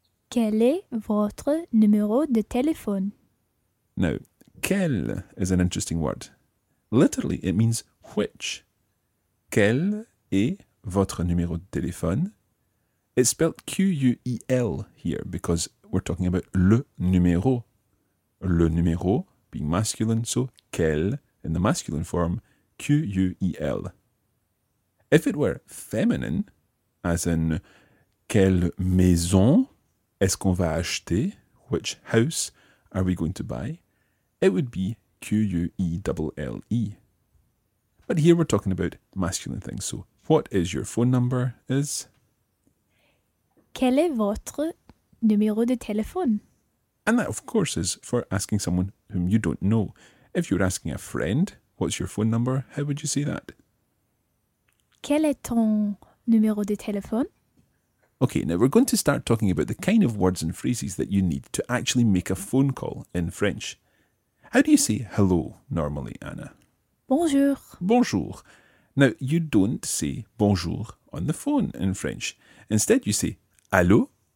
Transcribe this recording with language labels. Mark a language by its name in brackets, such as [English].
[French] Quel est votre numéro de téléphone? [English] Now, quel is an interesting word. Literally, it means which. [French] Quel est votre numéro de téléphone? [English] It's spelled Q-U-E-L here because we're talking about le numéro. Le numéro being masculine, so quel in the masculine form, Q-U-E-L. If it were feminine, as in [French] quelle maison est-ce qu'on va acheter? [English] Which house are we going to buy? It would be Q-U-E-L-L-E. But here we're talking about masculine things. So what is your phone number is? [French] Quel est votre numéro de téléphone? [English] And that, of course, is for asking someone whom you don't know. If you're asking a friend, what's your phone number? How would you say that? [French] Quel est ton numéro de téléphone? [English] Okay, now we're going to start talking about the kind of words and phrases that you need to actually make a phone call in French. How do you say hello normally, Anna? [French] Bonjour. Bonjour. [English] Now, you don't say bonjour on the phone in French. Instead, you say allô.